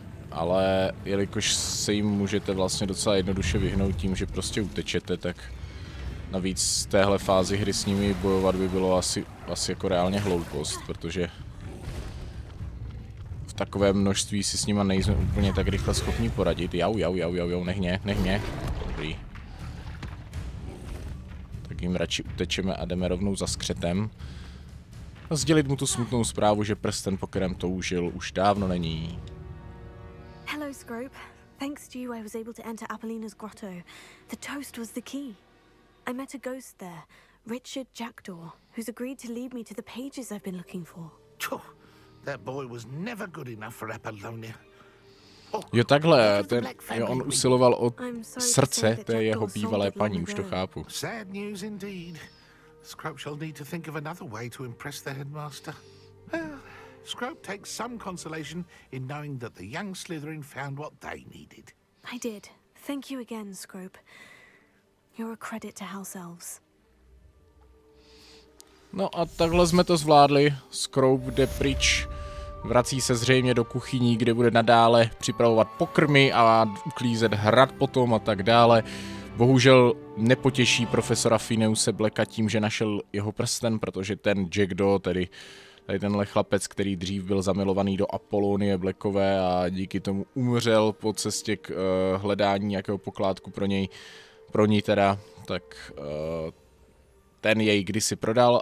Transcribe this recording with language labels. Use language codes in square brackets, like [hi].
[cs] Ale jelikož se jim můžete vlastně docela jednoduše vyhnout tím, že prostě utečete, tak navíc z téhle fázi hry s nimi bojovat by bylo asi jako reálně hloupost, protože v takovém množství si s nima nejsme úplně tak rychle schopni poradit. Jau, nech mě, dobrý. Tak jim radši utečeme a jdeme rovnou za skřetem. A sdělit mu tu smutnou zprávu, že prsten, po kterém toužil, už dávno není. [en] Hello, Scrope. Thanks to you, I was able to enter Apollina's grotto. The toast was the key. I met a ghost there, Richard Jackdaw, who's agreed to lead me to the pages I've been looking for. Tchuh, that boy was never good enough for Apollonia. [cs] Jo, takhle, ten, jo, on usiloval o srdce té jeho bývalé paní, už to chápu. [en] Sad news indeed. Scrope shall need to think of another way to impress the headmaster. Scrope takes some consolation in knowing that the young Slytherin found what they needed. I did. Thank you again, Scrope. You're a credit to House Elves. [cs] No a takhle jsme to zvládli. Scrope jde pryč. Vrací se zřejmě do kuchyní, kde bude nadále připravovat pokrmy a uklízet hrad potom a tak dále. Bohužel nepotěší profesora Fineuse Blacka tím, že našel jeho prsten, protože ten Jackdaw, tedy tady tenhle chlapec, který dřív byl zamilovaný do Apollonie Blackové a díky tomu umřel po cestě k hledání nějakého pokládku pro něj, pro ní teda, tak ten jej kdysi prodal.